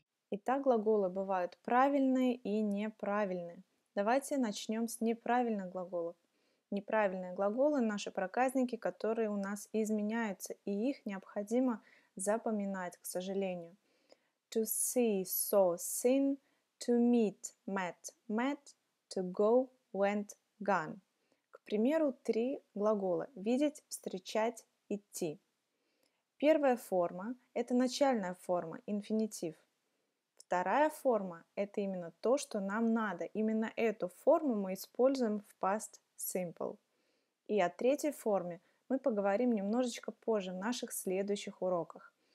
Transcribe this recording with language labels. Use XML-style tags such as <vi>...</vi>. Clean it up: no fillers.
<ru>Итак, глаголы бывают правильные и неправильные. Давайте начнем с неправильных глаголов. Неправильные глаголы — наши проказники, которые у нас изменяются, и их необходимо запоминать, к сожалению.</ru> <en>To see, saw, seen. To meet, met, met, to go, went, gone.</en> <ru>К примеру, 3 глагола. Видеть, встречать, идти. Первая форма – это начальная форма, инфинитив. Вторая форма – это именно то, что нам надо. Именно эту форму мы используем в past simple. И о третьей форме мы поговорим немножечко позже в наших следующих уроках.</ru>